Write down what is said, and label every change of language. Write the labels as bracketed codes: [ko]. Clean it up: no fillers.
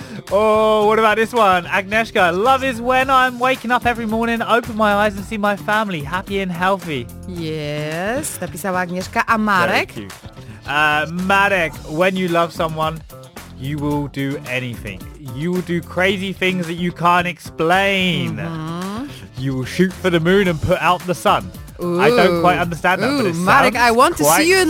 [en] oh, what about this one? Agnieszka, love is when I'm waking up every morning, open my eyes and see my family happy and healthy. [pl] Yes, napisała Agnieszka. A Marek? [en] Marek, when you love someone, you will do anything. You will do crazy things that you can't explain. Mm-hmm. You will shoot for the moon and put out the sun. Ooh. I don't quite understand that, ooh, but it's Marek, I want to see you in